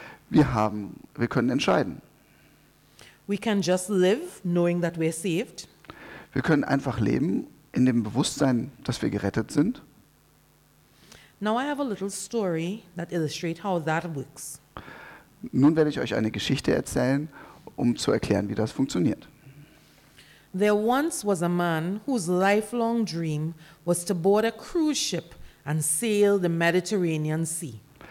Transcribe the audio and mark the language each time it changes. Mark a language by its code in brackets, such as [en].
[de] Wir können entscheiden. [en] We can just live knowing that we're saved. [de] Wir können einfach leben in dem Bewusstsein, dass wir gerettet sind. [en] Now I have a little story that illustrates how that works. [de] Nun werde ich euch eine Geschichte erzählen, um zu erklären, wie das funktioniert. [en] There once was a man whose lifelong dream was to board a cruise ship and sail the Mediterranean Sea.